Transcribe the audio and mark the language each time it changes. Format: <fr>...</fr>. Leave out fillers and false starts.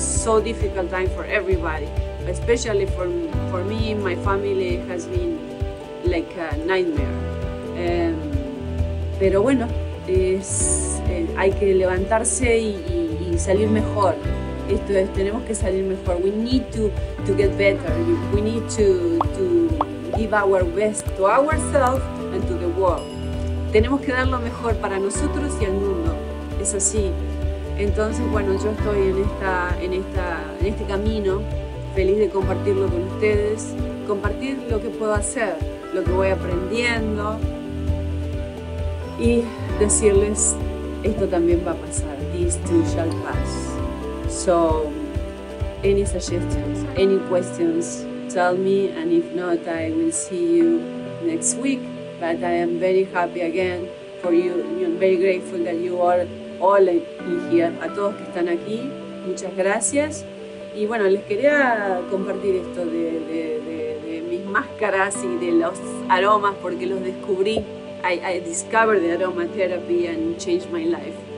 <en>So difficult time for everybody, especially for me, my family has been like a nightmare.</en> <es>Pero bueno, hay que levantarse y salir mejor. Esto es, tenemos que salir mejor.</es> <en>We need to get better. We need to give our best to ourselves and to the world.</en> <es>Tenemos que dar lo mejor para nosotros y al mundo. Es así. Entonces, bueno, yo estoy en este camino, feliz de compartirlo con ustedes, compartir lo que puedo hacer, lo que voy aprendiendo y decirles, esto también va a pasar.</es> <en>This too shall pass. So, any suggestions, any questions, tell me, and if not, I will see you next week. But I am very happy again for you. I'm very grateful that you are all in here.</en> <es>A todos que están aquí, muchas gracias. Y bueno, les quería compartir esto de mis máscaras y de los aromas, porque los descubrí.</es> <en>I discovered the aromatherapy and changed my life.</en>